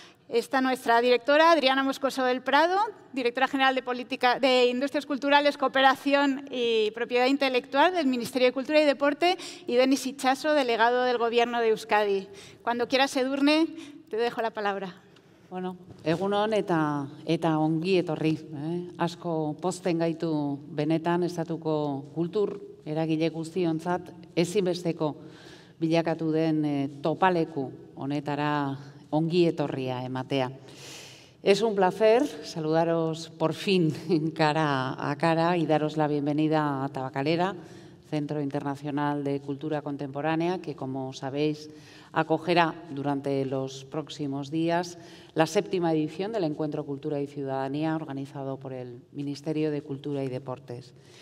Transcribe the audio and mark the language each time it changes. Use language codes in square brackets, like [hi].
[es] Está nuestra directora, Adriana Moscoso del Prado, directora general de Política de Industrias Culturales, Cooperación y Propiedad Intelectual del Ministerio de Cultura y Deporte, y Denis Itxaso, delegado del Gobierno de Euskadi. Cuando quieras, Edurne, te dejo la palabra. [eu] Bueno, egunon eta ongi etorri. Asko pozten gaitu benetan estatuko kultur eragile guztiontzat ezinbesteko bilakatu den topaleku honetara ongi etorria ematea. [es] Es un placer saludaros por fin cara a cara y daros la bienvenida a Tabakalera, Centro Internacional de Cultura Contemporánea, que, como sabéis, acogerá durante los próximos días la 7ª edición del Encuentro Cultura y Ciudadanía, organizado por el Ministerio de Cultura y Deportes.